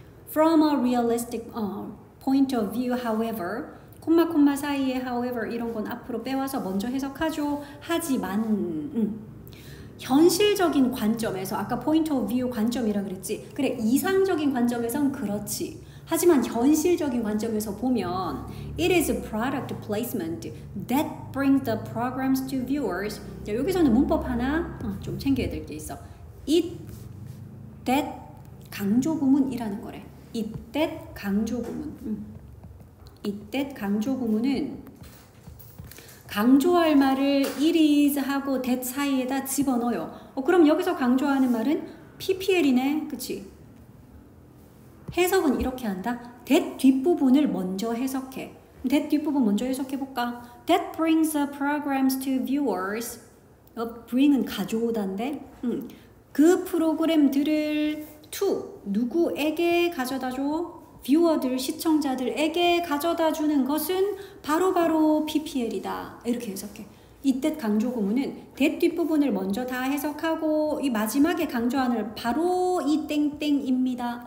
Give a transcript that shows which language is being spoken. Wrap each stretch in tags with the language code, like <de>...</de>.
<en>From a realistic point of view, however,</en> <ko>콤마 콤마 사이에 however 이런 건 앞으로 빼와서 먼저 해석하죠. 하지만 현실적인 관점에서 아까 point of view 관점이라 그랬지. 그래, 이상적인 관점에선 그렇지. 하지만 현실적인 관점에서 보면</ko> <en>it is a product placement that brings the programs to viewers.</en> <ko>자, 여기서는 문법 하나 좀 챙겨야 될게 있어. It that 강조구문이라는 거래. It that 강조구문. It that 강조구문은 강조할 말을 it is 하고 that 사이에다 집어넣어요. 그럼 여기서 강조하는 말은 PPL이네. 그치? 해석은 이렇게 한다. That 뒷부분을 먼저 해석해. That 뒷부분 먼저 해석해 볼까?</ko> <en>That brings the programs to viewers.</en> <ko>Bring은 가져오다인데. 그 프로그램들을 to 누구에게 가져다 줘? Viewer들, 시청자들에게 가져다 주는 것은 바로바로 PPL이다. 이렇게 해석해. It that 강조구문은 that 뒷부분을 먼저 다 해석하고 이 마지막에 강조하는 바로 이 땡땡입니다.</ko>